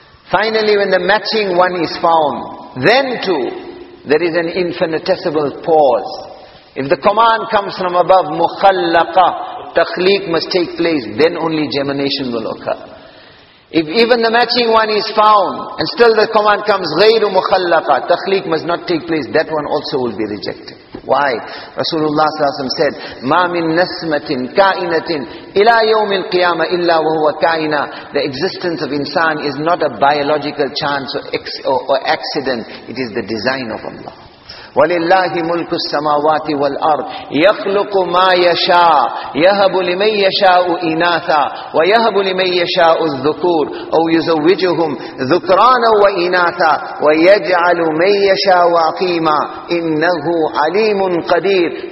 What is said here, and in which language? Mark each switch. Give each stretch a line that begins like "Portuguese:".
English: Finally, when the matching one is found, then too, there is an infinitesimal pause. If the command comes from above,
Arabic: مُخَلَّقَ, تَخْلِيق
English: must take place, then only gemination will occur. If even the matching one is found, and still the command comes,
Arabic: غَيْرُ مُخَلَّقَ, تَخْلِيق
English: must not take place, that one also will be rejected. Why? Rasulullah ﷺ said,
Arabic: مَا مِن نَسْمَةٍ كَائِنَةٍ إِلَىٰ يَوْمِ الْقِيَامَةِ إِلَّا وَهُوَ كَائِنًا.
English: The existence of insan is not a biological chance or accident. It is the design of Allah.
Arabic: وَلِلَّهِ مُلْكُ السَّمَاوَاتِ وَالْأَرْضِ يَخْلُقُ مَا يَشَاءُ يَهَبُ لِمَنْ يَشَاءُ إِنَاثًا وَيَهَبُ لِمَنْ يَشَاءُ الذُّكُورَ أَوْ يُزَوِّجُهُمْ ذُكْرَانًا وَإِنَاثًا وَيَجْعَلُ مَنْ يَشَاءُ عَقِيمًا إِنَّهُ عَلِيمٌ قَدِيرٌ.